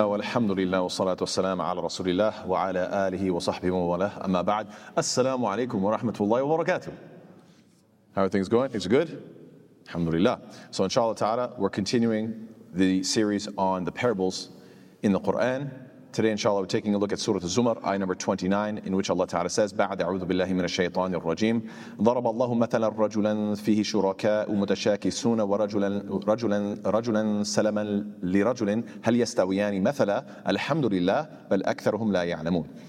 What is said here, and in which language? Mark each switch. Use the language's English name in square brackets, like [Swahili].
[Arabic] والحمد لله والصلاة والسلام على رسول الله وعلى آله وصحبه وله أما بعد السلام عليكم ورحمة الله وبركاته. [English] How are things going? Is it good? Alhamdulillah. So inshallah ta'ala, we're continuing the series on the parables in the Quran. [Arabic] Today inshallah we're taking a look at Surah Zumar, ayah number 29, in which Allah ta'ala says, بعد أعوذ بالله من الشيطان الرجيم ضرب الله مثلا رجلا فيه شركاء متشاكسون ورجلا رجلا سلما لرجل هل يستويان مثلا الحمد لله بل أكثرهم لا يعلمون.